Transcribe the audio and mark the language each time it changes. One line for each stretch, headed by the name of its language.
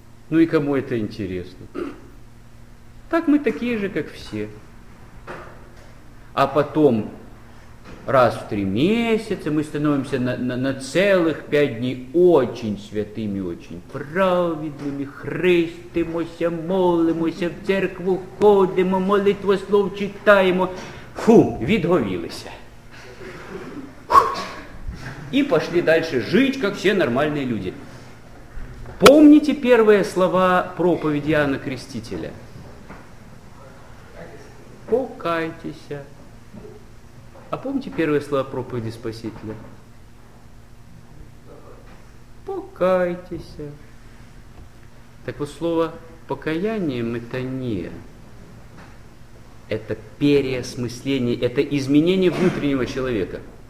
Russian: Ну и кому это интересно? Так мы такие же, как все. А потом раз в 3 месяца мы становимся на целых 5 дней очень святыми, очень праведными.
Ukrainian: Христимося, молимося, в церкву ходимо, молитву слов читаємо. Фу, відговілися. І пішли далі жити, як всі нормальні люди.
Russian: Помните
Ukrainian: перші слова проповіді Іоанна Крестителя? Покайтеся.
Russian: А помните первые слова проповеди Спасителя? Покайтесь. Так вот слово покаяние, метания, это переосмысление, это изменение внутреннего человека.